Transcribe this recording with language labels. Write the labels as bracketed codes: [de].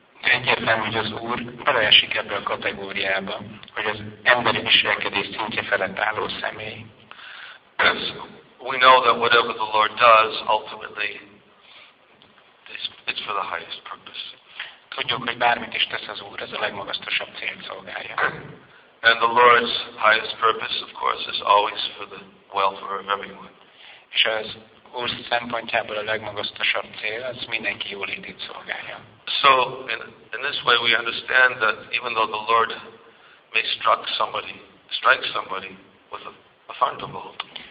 [hu] Egyértelmű, hogy az Úr beleesik ebbe a kategóriába, hogy az emberi viselkedés szintje felett álló személy. [en] We know that whatever the Lord does, ultimately, it's for the highest purpose. [hu] Tudjuk, hogy bármit is tesz az Úr, ez a legmagasztosabb cél szolgálja. [en] And the Lord's highest purpose, of course, is always for the welfare of everyone. [hu] És az Úr szempontjából a legmagasztosabb cél, az mindenki jólétét szolgálja. [en] So, in this way we understand that even though the Lord may strike somebody with a thunderbolt.